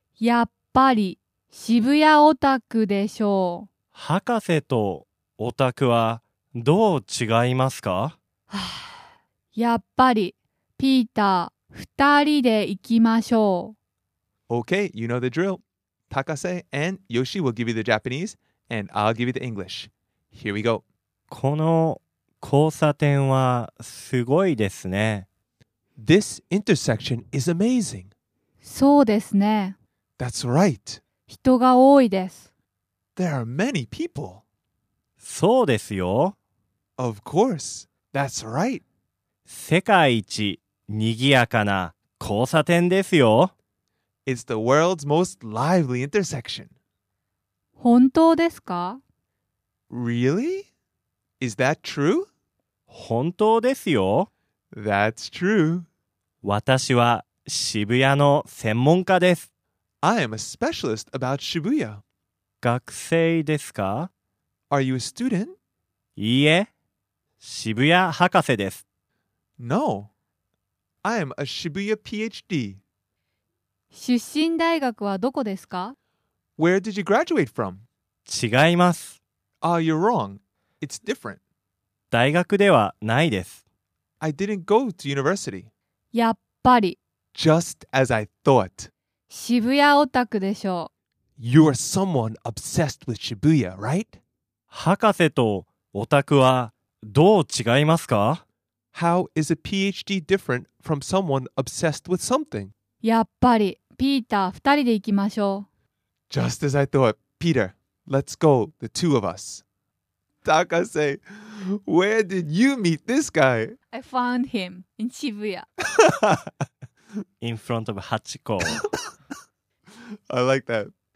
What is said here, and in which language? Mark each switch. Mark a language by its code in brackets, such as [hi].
[ja] やっぱり渋谷オタクでしょう。博士とオタクはどう違いますか？やっぱりピーター、二人で行きましょう。 [en] Okay, you know the drill. Takase and Yoshi will give you the Japanese and I'll give you the English. Here we go. [ja] この交差点はすごいですね。 [en] This intersection is amazing. [ja] そうですね。 [en] That's right. [ja] 人が多いです。 [en] There are many people. [ja] そうですよ。 [en] Of course, that's right. [ja] 世界一にぎやかな交差点ですよ。 [en] It's the world's most lively intersection. [ja] 本当ですか？ [en] Really? Is that true? [ja] 本当ですよ。 [en] That's true. [ja] 私は渋谷の専門家です。 [en] I am a specialist about Shibuya. [ja] 学生ですか？ [en] Are you a student? [ja] いいえ、渋谷博士です。 [en] No, I am a Shibuya PhD. [ja] 出身大学はどこですか？ [en] Where did you graduate from? [ja] 違います。 [en] Ah, you're wrong. It's different. [ja] 大学ではないです。 [en] I didn't go to university. [ja] やっぱり。 [en] Just as I thought. [ja] 渋谷オタクでしょう。 [en] You're someone obsessed with Shibuya, right? [ja] 博士とオタクはどう違いますか？ [en] How is a PhD different from someone obsessed with something? [ja] やっぱり、ピーター、二人で行きましょう。 [en] Just as I thought, Peter, let's go, the two of us. Takase, where did you meet this guy? I found him in Shibuya. In front of Hachiko. I like that.